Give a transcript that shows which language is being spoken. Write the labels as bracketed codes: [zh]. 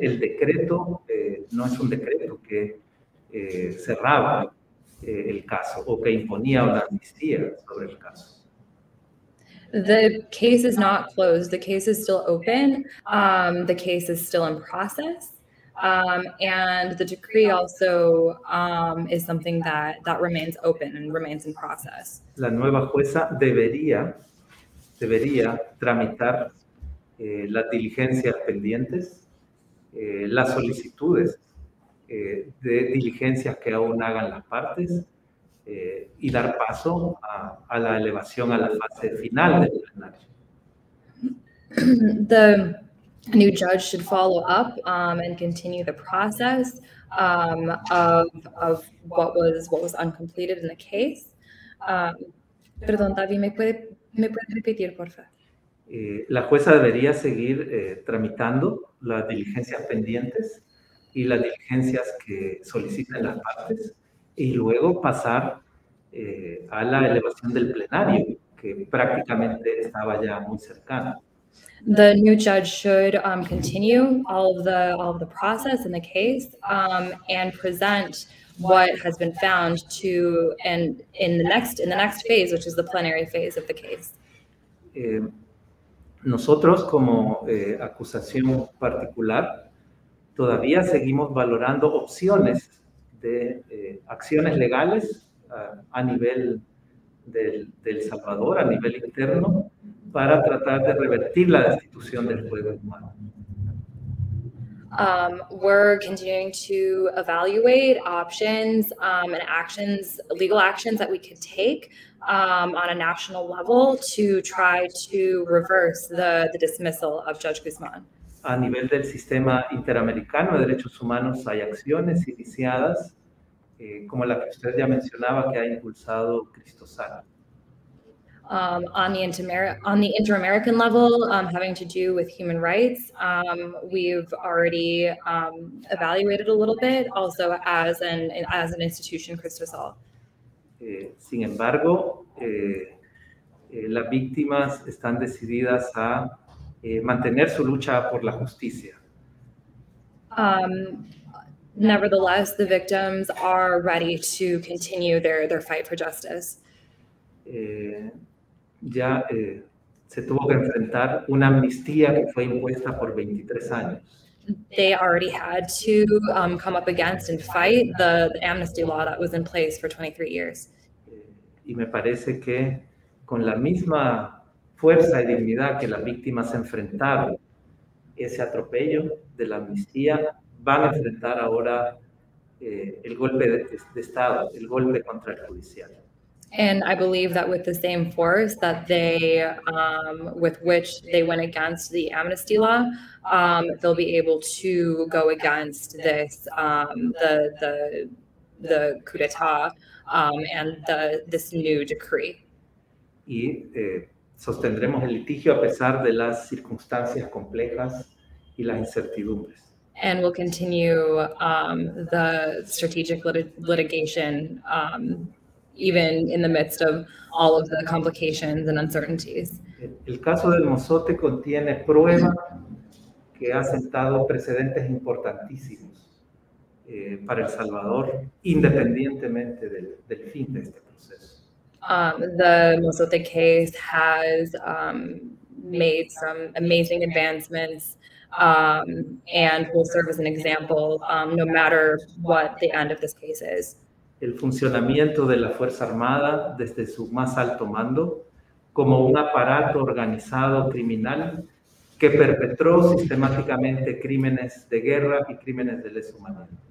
[es] El decreto no es un decreto que cerraba el caso o que imponía una amnistía sobre el caso. [en] The case is not closed. The case is still open. The case is still in process. And the decree also is something that remains open and remains in process. [es] La nueva jueza debería tramitar las diligencias pendientes, las solicitudes de diligencias que aún hagan las partes, y dar paso a la elevación a la fase final del plenario. [en] The new judge should follow up and continue the process of what was uncompleted in the case. [es] Perdón, David, ¿me puede repetir, por favor? La jueza debería seguir tramitando las diligencias pendientes y las diligencias que soliciten las partes, y luego pasar a la elevación del plenario, que prácticamente estaba ya muy cercana. [en] The new judge should continue all of the process in the case and present what has been found to and in the next phase, which is the plenary phase of the case. [es] Nosotros como acusación particular todavía seguimos valorando opciones de acciones legales a nivel del Salvador, a nivel interno, para tratar de revertir la destitución del juez humano. [en] We're continuing to evaluate options and actions, legal actions that we could take on a national level to try to reverse the dismissal of Judge Guzmán. [es] A nivel del sistema interamericano de derechos humanos hay acciones iniciadas, como la que usted ya mencionaba, que ha impulsado Cristo Sala. [en] On the inter-American level, having to do with human rights, we've already evaluated a little bit, also as an institution, Cristosal. [es] Sin embargo, las víctimas están decididas a mantener su lucha por la justicia. [en] Nevertheless, the victims are ready to continue their fight for justice. [es] Ya se tuvo que enfrentar una amnistía que fue impuesta por 23 años. [en] They already had to come up against and fight the amnesty law that was in place for 23 years. [es] Y me parece que con la misma fuerza y dignidad que las víctimas enfrentaron ese atropello de la amnistía, van a enfrentar ahora el golpe de Estado, el golpe contra el judicial. [en] And I believe that with the same force that they, with which they went against the amnesty law, they'll be able to go against this, the coup d'etat, and this new decree. [es] Y sostendremos el litigio a pesar de las circunstancias complejas y las incertidumbres. [en] And we'll continue the strategic litigation. Even in the midst of all of the complications and uncertainties. [es] El caso del Mozote contiene prueba que ha sentado precedentes importantísimos para El Salvador, independientemente del fin de este proceso. [en] The Mozote case has made some amazing advancements and will serve as an example no matter what the end of this case is. [es] El funcionamiento de la Fuerza Armada desde su más alto mando como un aparato organizado criminal que perpetró sistemáticamente crímenes de guerra y crímenes de lesa humanidad.